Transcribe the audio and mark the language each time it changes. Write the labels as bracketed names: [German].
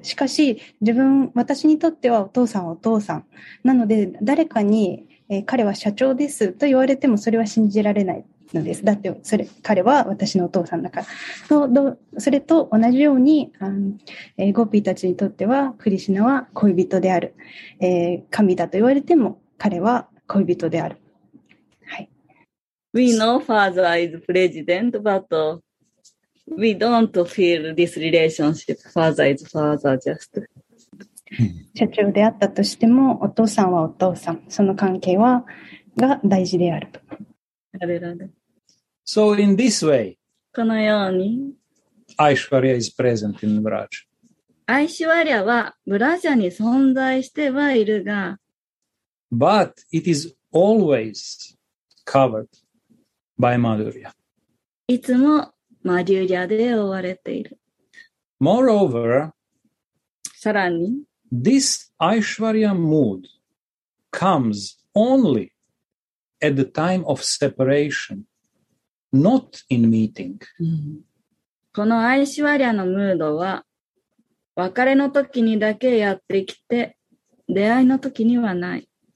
[Japanese] しかし私にとってはお父さんはお父さんなので、誰かに、彼は社長ですと言われてもそれは信じられないのです。だってそれ彼は私のお父さんだから。それと同じように、ゴーピーたちにとってはクリシュナは恋人である、神だと言われても彼は恋人である。はい。 [English] We know father is president, but we don't feel this relationship. Father is father just. [Japanese] 社長であったとしてもお父さんはお父さん、その関係はが大事であると。あれあれ。 [English] So in this way, [Japanese] このように、 [English] Aishwarya is present in Braj. [Japanese] Aishwarya はブラジャに存在してはいるが、 [English] But it is always covered by Madhurya. [Japanese] いつもマデューリャで覆われている。 [English] Moreover, [Japanese] さらに、 [English] This Aishwarya mood comes only at the time of separation. Not in meeting. [Japanese] このアイシュワリアのムードは別れの時にだけやってきて、出会いの時にはない。